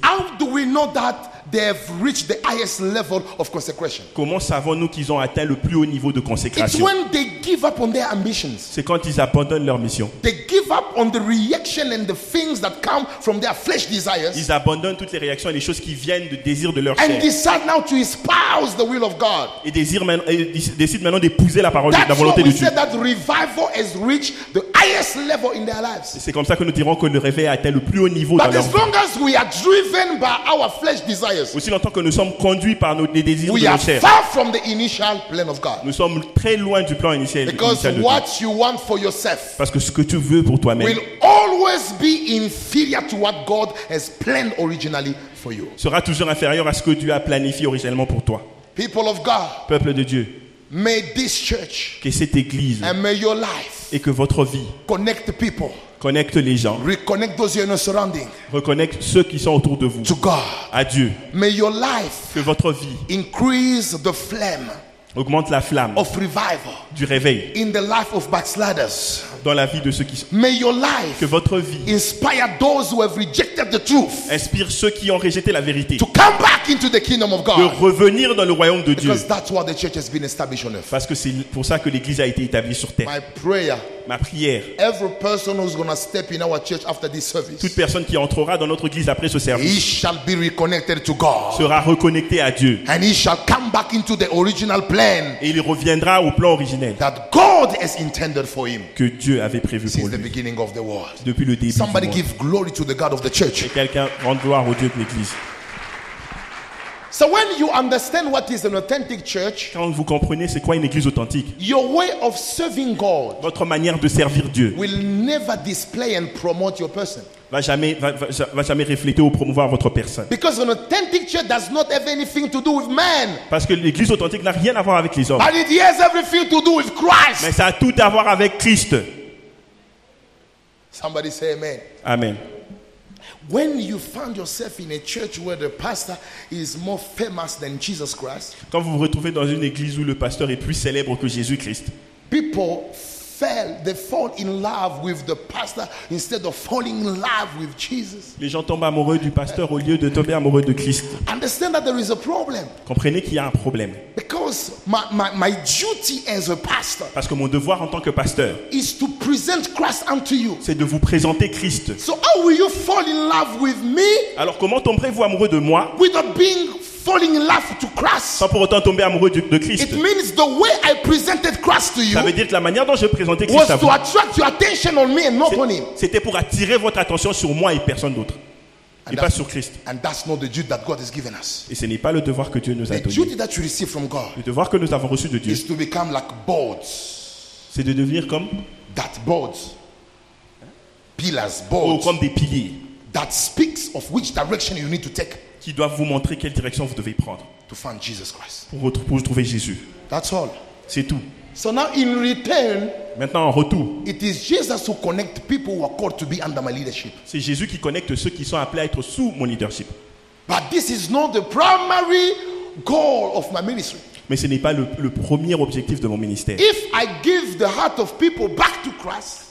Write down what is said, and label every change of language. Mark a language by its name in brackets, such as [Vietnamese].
[English] How do we know that they have reached the highest level of consecration? [French] Comment savons-nous qu'ils ont atteint le plus haut niveau de consécration? [English] It's when they give up on their ambitions. [French] C'est quand ils abandonnent leur mission. [English] They give up on the reaction and the things that come from their flesh desires. [French] Ils abandonnent toutes les réactions et les choses qui viennent de désirs de leur chair. [English] And decide now to espouse the will of God. [French] Et décident maintenant d'épouser la parole, la volonté de Dieu. [English] That's why we said that revival has reached the highest level in their lives. [French] C'est comme ça que nous dirons que le réveil a atteint le plus haut niveau dans leur vie. [English] But as long as we are driven by our flesh desires. [French] Aussi longtemps que nous sommes conduits par nos désirs de nos chairs. [English] Far from the initial plan of God. [French] Nous sommes très loin du plan initial. [English] Because [French] initial de [English] what [French] Dieu. [English] You want for yourself. [French] Parce que ce que tu veux pour toi-même. [English] Will always be inferior to what God has planned originally for you. [French] Sera toujours inférieur à ce que Dieu a planifié originellement pour toi. [English] People of God. [French] Peuple de Dieu. [English] May this church. [French] Que cette église. [English] And may your life. [French] Et que votre vie. [English] Connect the people. [French] Connecte les gens. [English] Reconnect those in your surrounding. [French] Reconnecte ceux qui sont autour de vous. [English] To God. [French] À Dieu. [English] May your life. [French] Que votre vie. [English] Increase the flame. [French] Augmente la flamme. [English] Of revival. [French] Du réveil. [English] In the life of backsliders. [French] Dans la vie de ceux qui sont. [English] May your life. [French] Que votre vie. [English] Inspire those who have rejected the truth. [French] Inspire ceux qui ont rejeté la vérité. [English] To come back into the kingdom of God. [French] De revenir dans le royaume de Dieu. [English] Because that's why the church has been established on earth. [French] Parce que c'est pour ça que l'église a été établie sur terre. [English] My prayer. [French] Ma prière. [English] Every person who's going to step in our church after this service. [French] Toute personne qui entrera dans notre église après ce service. [English] He shall be reconnected to God. [French] Sera reconnecté à Dieu. [English] And he shall come back into the original plan. [French] Et il reviendra au plan originel. [English] That God has intended for him. [French] Que Dieu avait prévu [English] since [French] pour lui. [English] The beginning of the world. [French] Depuis le début. [English] Somebody give glory to the God of the church. [French] Et quelqu'un rende gloire au Dieu de l'église. [English] So when you understand what is an authentic church, [French] quand vous comprenez c'est quoi une église authentique, [English] your way of serving God, [French] votre manière de servir Dieu, [English] will never display and promote your person. [French] Va jamais refléter ou promouvoir votre personne. [English] Because an authentic church does not have anything to do with man. [French] Parce que l'église authentique n'a rien à voir avec les hommes. [English] But it has everything to do with Christ. [French] Mais ça a tout à voir avec Christ. [English] Somebody say amen. Amen. When you find yourself in a church where the pastor is more famous than Jesus Christ, [French] quand vous vous retrouvez dans une église où le pasteur est plus célèbre que Jésus-Christ, [English] people fell, they fall in love with the pastor instead of falling in love with Jesus. [French] Les gens tombent amoureux du pasteur au lieu de tomber amoureux de Christ. [English] Understand that there is a problem. [French] Comprenez qu'il y a un problème. [English] Because my duty as a pastor, [French] parce que mon devoir en tant que pasteur, [English] is to present Christ unto you. [French] C'est de vous présenter Christ. [English] So how will you fall in love with me? [French] Alors comment tomberez-vous amoureux de moi? [English] Without being falling in love to Christ. [French] Sans pour autant tomber amoureux de Christ. [English] It means the way I presented Christ to you. [French] Ça veut dire que la manière dont je présentais Christ à vous. [English] Was to attract your attention on me and not on him. [French] C'était pour attirer votre attention sur moi et personne d'autre. Et pas sur Christ. [English] And that's not the duty that God has given us. [French] Et ce n'est pas le devoir que Dieu nous a donné. [English] The duty that you receive from God. [French] Le devoir que nous avons reçu de Dieu. [English] Is to become like boards. [French] C'est de devenir comme. [English] That boards. Pillars, boards. [French] Ou comme des piliers. [English] That speaks of which direction you need to take. [French] Qui doivent vous montrer quelle direction vous devez prendre [English] to find Jesus Christ. [French] Pour trouver Jésus. [English] That's all. [French] C'est tout. [English] So now in return, [French] maintenant en retour, [English] it is Jesus who connects people who are called to be under my leadership. [French] C'est Jésus qui connecte ceux qui sont appelés à être sous mon leadership. [English] But this is not the primary goal of my ministry. [French] Mais ce n'est pas le premier objectif de mon ministère. [English] If I give the heart of people back to Christ,